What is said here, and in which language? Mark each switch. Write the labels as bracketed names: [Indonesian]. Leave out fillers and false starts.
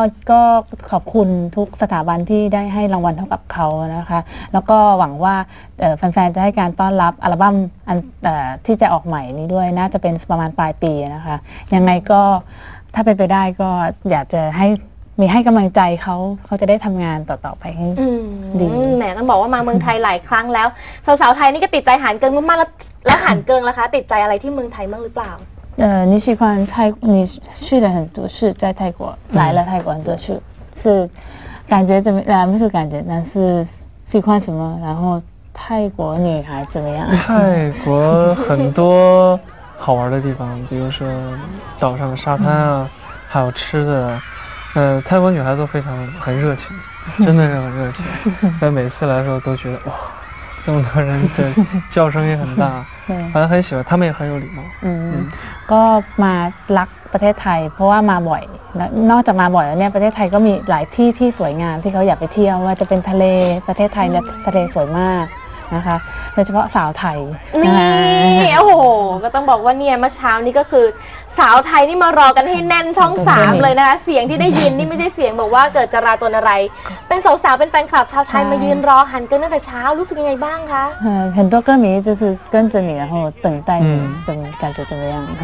[Thai] ก็ขอบคุณทุกสถาบันที่ได้ให้รางวัลเท่ากับเขานะคะแล้วก็หวังว่าแฟนๆจะให้การต้อนรับอัลบั้มอันที่จะออกใหม่นี้ด้วยน่าจะเป็นประมาณปลายปีนะคะยังไงก็ถ้าเป็นไปได้ก็อยากจะให้มีให้กำลังใจเขาจะได้ทำงานต่อๆไปให้ดี แหมต้องบอกว่ามาเมืองไทยหลายครั้งแล้วสาวๆไทยนี่ก็ติดใจหานเกิงมากๆแล้วหานเกิงล่ะคะติดใจอะไรที่เมืองไทยบ้างหรือเปล่า [Chinese] 你喜欢泰国？你去了很多次，在泰国来了泰国很多次，是感觉怎么？不是感觉，但是喜欢什么？然后泰国女孩怎么样？泰国很多好玩的地方，比如说岛上的沙滩啊，还有吃的。泰国女孩都非常很热情，真的是很热情。但每次来的时候都觉得哇。这么多人的叫声也很大，反正很喜欢，他们也很有礼貌。 [Thai] ก็มารักประเทศไทยเพราะว่ามาบ่อยนอกจากมาบ่อยแล้วเนี่ยประเทศไทยก็มีหลายที่ที่สวยงามที่เขาอยากไปเที่ยวว่าจะเป็นทะเลประเทศไทยเนี่ยทะเลสวยมากนะคะโดยเฉพาะสาวไทย นี่โอ้โหก็ต้องบอกว่าเนี่ยเมื่อเช้านี้ก็คือสาวไทยนี่มารอกันให้แน่นช่อง3เลยนะคะเสียงที่ได้ยินนี่ไม่ใช่เสียงบอกว่าเกิดจราจรอะไรเป็นสาวๆเป็นแฟนคลับชาวไทยมายืนรอหันกันตั้งแต่เช้ารู้สึกยังไงบ้างคะ เห็นตัวก็มี [Chinese] 就是跟着你然后等待你怎么感觉怎么样